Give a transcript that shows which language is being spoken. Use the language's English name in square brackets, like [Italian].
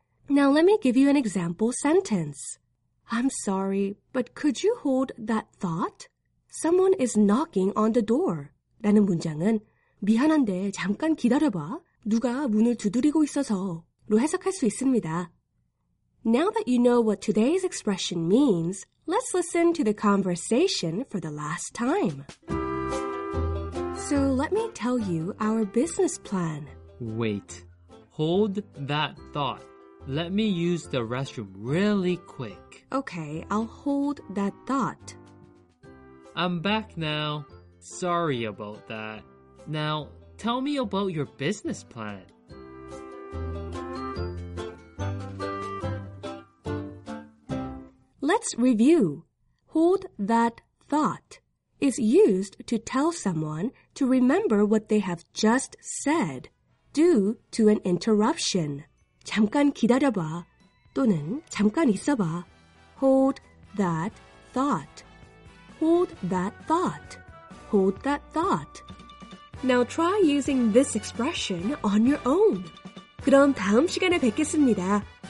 [English] Now let me give you an example sentence. I'm sorry, but could you hold that thought? Someone is knocking on the door. [Korean] 라는 문장은 미안한데 잠깐 기다려봐. 누가 문을 두드리고 있어서 로 해석할 수 있습니다. [English] Now that you know what today's expression means, let's listen to the conversation for the last time. So let me tell you our business plan. Wait, hold that thought. Let me use the restroom really quick. Okay, I'll hold that thought. I'm back now. Sorry about that. Now, tell me about your business plan. [Korean] 리뷰. [English] Hold that thought is used to tell someone to remember what they have just said due to an interruption. [Korean] 잠깐 기다려봐 또는 잠깐 있어봐. [English] Hold that thought. Hold that thought. Hold that thought. Now try using this expression on your own. [Korean] 그럼 다음 시간에 뵙겠습니다.